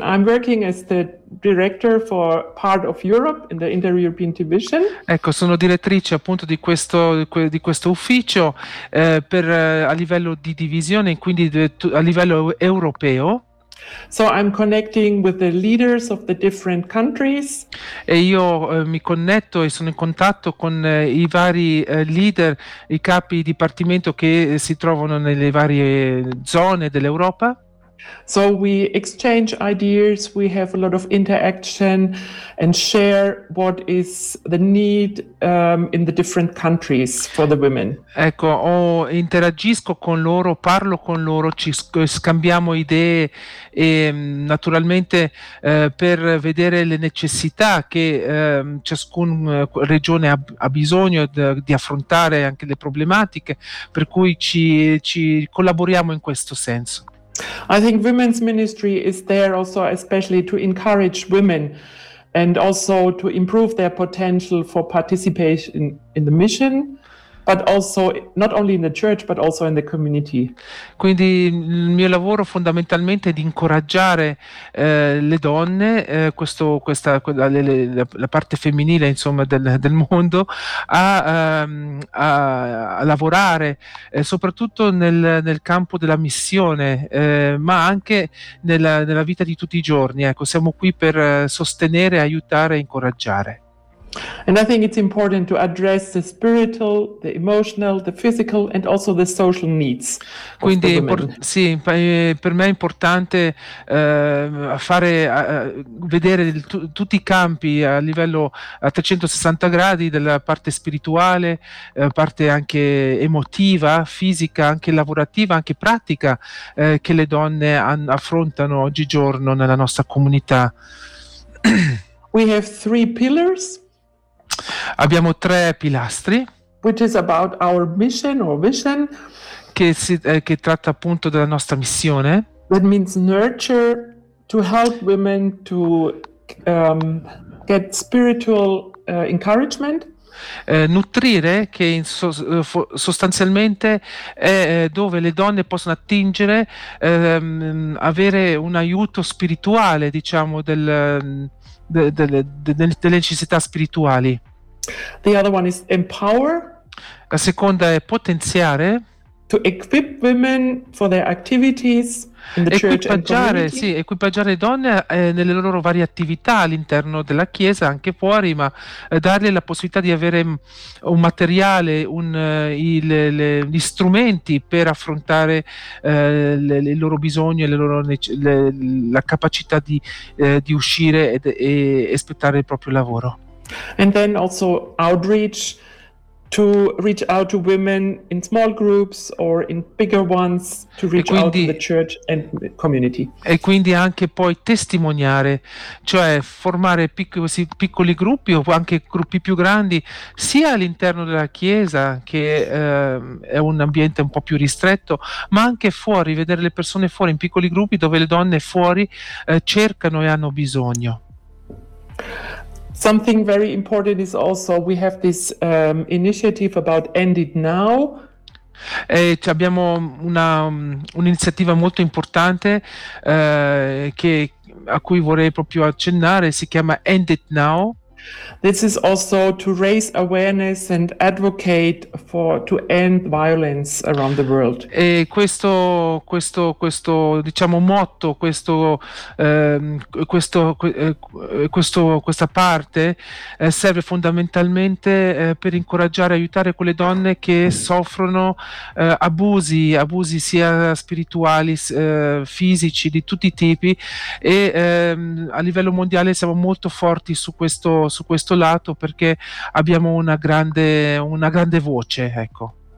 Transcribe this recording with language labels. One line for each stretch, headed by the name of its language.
English: I'm working as the director for part of Europe in the Inter-European Division.
Italian: Ecco, sono direttrice appunto di questo ufficio per a livello di divisione, quindi a livello europeo.
English: So I'm connecting with the leaders of the different countries.
Italian: E io mi connetto e sono in contatto con i vari leader, i capi dipartimento che si trovano nelle varie zone dell'Europa.
English: So we exchange ideas, we have a lot of interaction and share what is the need in the different countries for the women.
Italian: Ecco, interagisco con loro, parlo con loro, ci scambiamo idee e naturalmente per vedere le necessità che ciascun regione ha bisogno di affrontare, anche le problematiche, per cui ci collaboriamo in questo senso.
English: I think women's ministry is there also especially to encourage women and also to improve their potential for participation in the mission, but also not only in the church but also in the community.
Italian: Quindi il mio lavoro fondamentalmente è di incoraggiare le donne, la parte femminile, insomma, del mondo a lavorare soprattutto nel campo della missione, ma anche nella vita di tutti i giorni. Ecco, siamo qui per sostenere, aiutare e incoraggiare.
English: And I think it's important to address the spiritual, the emotional, the physical and also the social needs.
Italian: Quindi sì, per me è importante vedere tutti i campi a livello a 360 gradi, della parte spirituale, parte anche emotiva, fisica, anche lavorativa, anche pratica, che le donne affrontano oggigiorno nella nostra comunità.
English: We have three pillars.
Italian: Abbiamo tre pilastri.
English: Which is about our mission or vision.
Italian: Che tratta appunto della nostra missione.
English: That means nurture, to help women to get spiritual encouragement.
Italian: Nutrire, che sostanzialmente è dove le donne possono attingere, avere un aiuto spirituale, diciamo, delle necessità spirituali.
English: The other one is empower.
Italian: La seconda è potenziare.
English: To equip women for their activities in the church and community.
Italian: Sì, equipaggiare le donne nelle loro varie attività all'interno della chiesa, anche fuori, ma dargli la possibilità di avere un materiale, gli strumenti per affrontare il loro bisogno e la capacità di uscire e aspettare il proprio lavoro.
English: And then also outreach. To reach out to women in small groups or in bigger ones, to reach out to the church and community.
Italian: E quindi anche poi testimoniare, cioè formare piccoli gruppi o anche gruppi più grandi, sia all'interno della chiesa, che è un ambiente un po' più ristretto, ma anche fuori, vedere le persone fuori in piccoli gruppi dove le donne fuori cercano e hanno bisogno.
English: Something very important is also we have this initiative about End It Now.
Italian: Abbiamo un'iniziativa molto importante a cui vorrei proprio accennare, si chiama End It Now.
English: This is also to raise awareness and advocate to end violence around the world.
Italian: E questo diciamo motto, questa parte serve fondamentalmente per incoraggiare, aiutare quelle donne che soffrono abusi sia spirituali, fisici, di tutti i tipi, e a livello mondiale siamo molto forti su questo lato, perché abbiamo una grande voce, ecco.